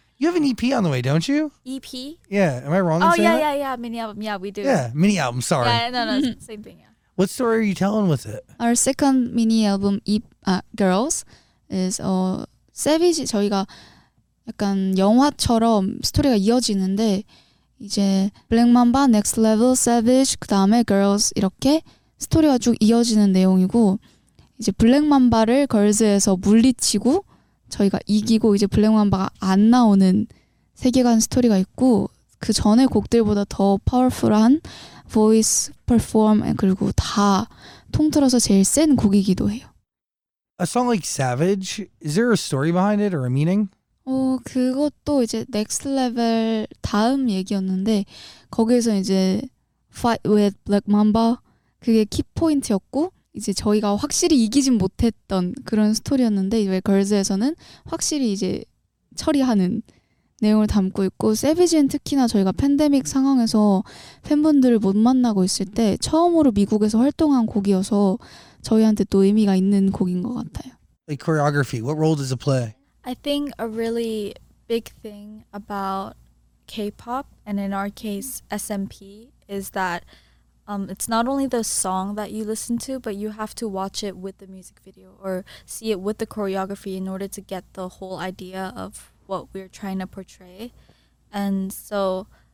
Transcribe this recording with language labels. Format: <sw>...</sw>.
<en>You have an EP on the way, don't you? EP? Yeah. Am I wrong? Oh, in saying yeah, that? Yeah, yeah. Mini album. Yeah, we do. Yeah, mini album. Sorry. Yeah, no, same thing. Yeah. What story are you telling with it? Our second mini album, Girls, is Savage.</en> <ko>저희가 약간 영화처럼 스토리가 이어지는데 이제 Black Mamba, Next Level, Savage, 그 다음에 Girls 이렇게 스토리가 쭉 이어지는 내용이고 이제 Black Mamba를 Girls에서 물리치고. 저희가 이기고 이제 블랙맘바가 안 나오는 세계관 스토리가 있고 그 전에 곡들보다 더 파워풀한 보이스, 퍼폼 그리고 다 통틀어서 제일 센 곡이기도 해요.</ko> <en>A song like Savage, is there a story behind it or a meaning?</en> <ko>그것도 이제 Next Level 다음 얘기였는데 거기에서 이제</ko> <en>Fight with Black Mamba</en> <ko>그게 키포인트였고 이제 저희가 확실히 이기진 못했던 그런 스토리였는데 왜 걸즈에서는 확실히 이제 처리하는 내용을 담고 있고 세비지는 특히나 저희가 팬데믹 상황에서 팬분들을 못 만나고 있을 때 처음으로 미국에서 활동한 곡이어서 저희한테 또 의미가 있는 곡인 것 같아요.</ko> <en>The choreography, what role does it play? I think a really big thing about K-pop and in our case SMP is that it's not only the song that you listen to, but you have to watch it with the music video or see it with the choreography in order to get the whole idea of what we're trying to portray. And so</en>